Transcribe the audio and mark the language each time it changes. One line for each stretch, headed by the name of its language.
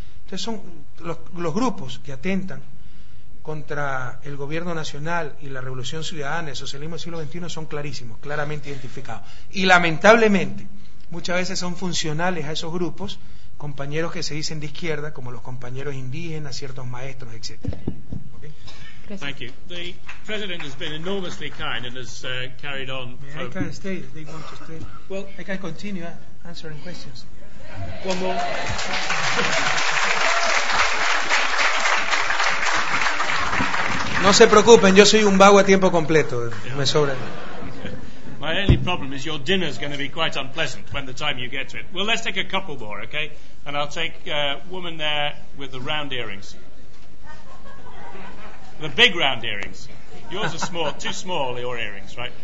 Spanish: Entonces son los grupos que atentan contra el gobierno nacional y la revolución ciudadana, el socialismo del siglo XXI, son clarísimos, claramente identificados. Y lamentablemente, muchas veces son funcionales a esos grupos, compañeros que se dicen de izquierda, como los compañeros indígenas, ciertos maestros, etc.
English: Thank you. The president has been enormously kind and has carried on. I can stay. They want to stay. Well, I can continue answering questions. One more.
Spanish: No se preocupen, yo soy un vago a tiempo completo.
English: Yeah.
Spanish: Me sobra.
English: My only problem is your dinner is going to be quite unpleasant when the time you get to it. Well, let's take a couple more, okay? And I'll take a woman there with the round earrings. The big round earrings. Yours are small, too small, your earrings, right?